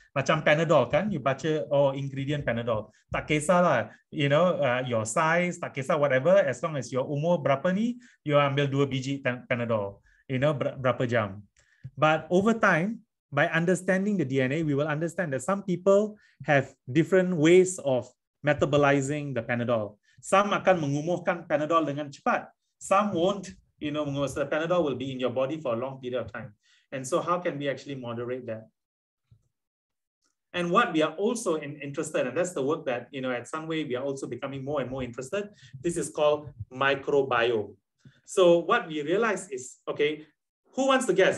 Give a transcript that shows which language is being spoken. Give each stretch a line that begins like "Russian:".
Malay: Macam Panadol kan, you baca, oh, ingredient Panadol. Tak kisahlah,
English: you know, your size,
Malay: tak kisah whatever,
English: as long as your
Malay: umur berapa ni, you ambil 2 biji Panadol, you know, berapa jam.
English: But over time, by understanding the DNA, we will understand that some people have different ways of metabolizing the Panadol.
Malay: Some akan mengumuhkan Panadol dengan cepat.
English: Some won't, you know, mengumuhkan. So the Panadol will be in your body for a long period of time. And so how can we actually moderate that? And what we are also interested, and that's the work that, you know, at Sunway, we are also becoming more and more interested. This is called microbiome. So what we realize is, okay, who wants to guess?